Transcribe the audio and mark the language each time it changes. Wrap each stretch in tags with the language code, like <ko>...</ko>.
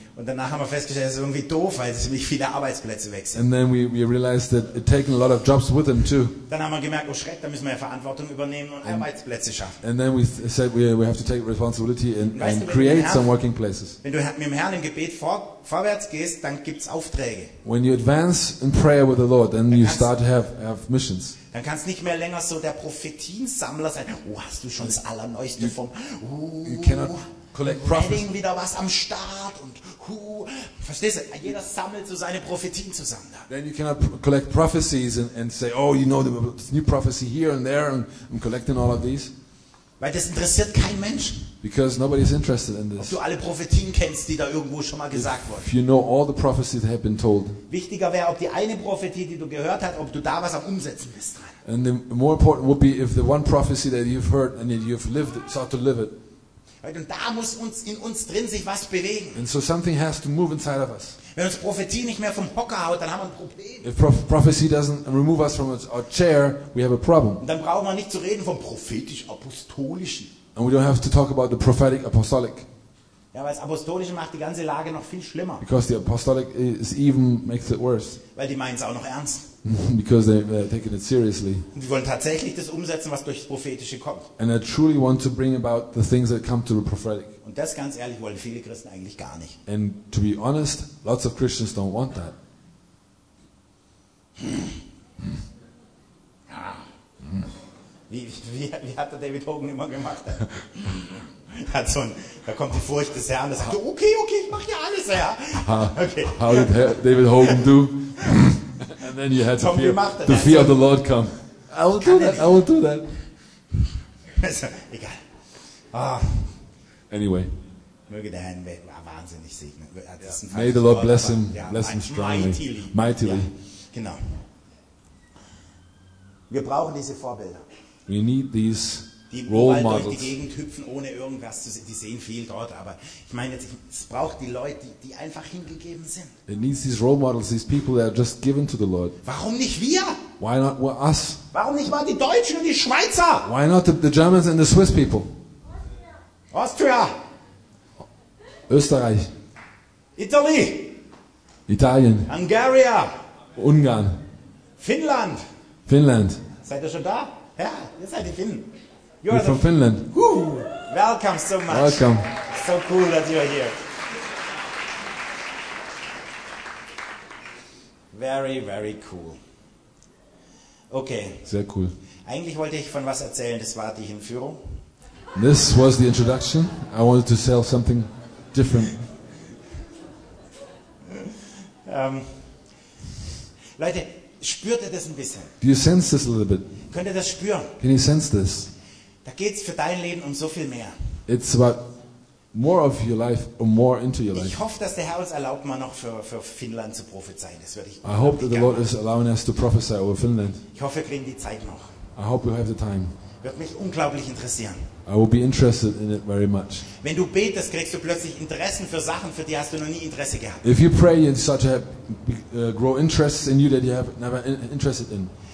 <de>Und danach haben wir festgestellt, es ist irgendwie doof, weil es ziemlich viele Arbeitsplätze weg sind.</de> <en>And then we realized that it taken a lot of jobs with them too.</en> <de>Dann haben wir gemerkt, oh Schreck, da müssen wir ja Verantwortung übernehmen und Arbeitsplätze schaffen.</de> <en>And then we said we have to take responsibility and create some working places.</en> <de>Wenn du mit dem Herrn im Gebet vorwärts gehst, dann gibt's Aufträge.</de> <en>When you advance in prayer with the Lord, then you start to have missions.</en> <de>Dann kannst nicht mehr länger so der Prophetiensammler sein. Oh, hast du schon das Allerneueste vom?</de> <en>You cannot collect prophets.</en> <de>Wedding wieder was am Start und verstehst du? Jeder sammelt so seine Prophetien zusammen.</de> <en>Then you cannot collect prophecies and say, oh, you know, the new prophecy here and there, and I'm collecting all of these.</en> <de>Weil das interessiert kein Mensch.</de> <en>Because nobody's interested in this.</en> <de>Ob du alle Prophetien kennst, die da irgendwo schon mal gesagt wurden.</de> <en>If you know all the prophecies that have been told.</en> <de>Wichtiger wäre, ob die eine Prophetie, die du gehört hast, ob du da was am Umsetzen bist dran.</de> <en>And the more important would be if the one prophecy that you've heard and that you've lived start to live it.</en> <de>Und da muss uns in uns drin sich was bewegen.</de> <en>And so something has to move inside of us.</en> <de>Wenn uns Prophetie nicht mehr vom Hocker haut, dann haben wir ein Problem.</de> <en>If prophecy doesn't remove us from our chair, we have a problem.</en> <de>Und dann brauchen wir nicht zu reden vom prophetisch-apostolischen.</de> <en>And we don't have to talk about the prophetic apostolic.</en> <de>Ja, weil das Apostolische macht die ganze Lage noch viel schlimmer.</de> <en>Because the apostolic is even makes it worse.</en> <de>Weil die meinen es auch noch ernst.</de> <en>Because they're taking it seriously.</en> <de>Und die wollen tatsächlich das umsetzen, was durch das Prophetische kommt.</de> <en>And they truly want to bring about the things that come to the prophetic.</en> <de>Und das, ganz ehrlich, wollen viele Christen eigentlich gar nicht.</de> <en>And to be honest, lots of Christians don't want that.</en> <de>Wie hat der David Hogan immer gemacht? Hat so ein, da kommt die Furcht des Herrn, das sagt, okay, ich mache ja alles, ja.</de> <en>Okay. How did David Hogan do? And then you had to fear, the fear of the Lord come. I will do that.</en> <de>Also, egal. Oh.</de> <en>Anyway.</en> <de>Möge der Herr wahnsinnig segnen.</de> <en>May the Lord bless him. Ja, bless him strongly. Mightily.</en> <de>Ja, genau. Wir brauchen diese Vorbilder.</de> <en>We need these</en> <de>die</de> <en>role models.</en> <de>Durch die Gegend hüpfen, ohne irgendwas zu sehen. Die sehen viel dort, aber ich meine, jetzt, es braucht die Leute, die einfach hingegeben sind.</de> <en>It needs these role models, these people that are just given to the Lord.</en> <de>Warum nicht wir?</de> <en>Why not us?</en> <de>Warum nicht mal die Deutschen und die Schweizer?</de> <en>Why not the Germans and the Swiss people? Austria.</en> <de>Österreich.</de> <en>Italy.</en> <de>Italien.</de> <en>Hungary.</en> <de>Ungarn. Finnland. Finnland. Seid ihr schon da? Ja, ihr seid die Finnen.</de> <en>You're from Finland. Woo. Welcome so much. Welcome. So cool that you're here. Very, very cool. Okay.</en> <de>Sehr cool. Eigentlich wollte ich von was erzählen, das war die Hinführung.</de> <en>This was the introduction. I wanted to sell something different.</en> <de>Leute, spürt ihr das ein bisschen?</de> <en>Do you sense this a little bit?</en> <de>Könnt ihr das spüren?</de> <en>Can you sense this?</en> <de>Da geht's für dein Leben um so viel mehr.</de> <en>It's about more of your life or more into your life.</en> <de>Ich hoffe, dass der Herr uns erlaubt, mal noch für Finnland zu prophezeien. Das würde ich.</de> <en>I hope that the Lord is allowing us to prophesy over Finland.</en> <de>Ich hoffe, wir kriegen die Zeit noch.</de> <en>I hope we have the time.</en> <de>Wird mich unglaublich interessieren.</de> <en>I will be interested in it very much.</en> <de>Wenn du betest, kriegst du plötzlich Interessen für Sachen, für die hast du noch nie Interesse gehabt.</de> <en>If you pray, you start to have, grow interests in you that you have never interested in.</en>